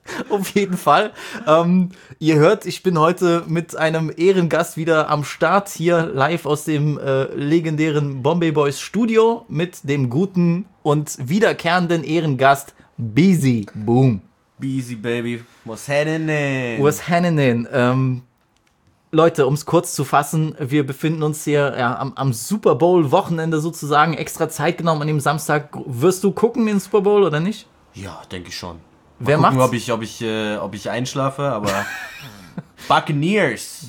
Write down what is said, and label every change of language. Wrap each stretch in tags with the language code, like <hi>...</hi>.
<de>Auf jeden Fall. Ihr hört, ich bin heute mit einem Ehrengast wieder am Start, hier live aus dem legendären Bombay Boys Studio mit dem guten und wiederkehrenden Ehrengast Busy Boom.</de> <en>Busy Baby, what's happening? What's happening?</en> <de>Leute, um es kurz zu fassen, wir befinden uns hier am Super Bowl Wochenende sozusagen, extra Zeit genommen an dem Samstag. Wirst du gucken den Super Bowl oder nicht? Ja, denke ich schon. Mal wer macht? Ob ich einschlafe, aber Buccaneers.</de>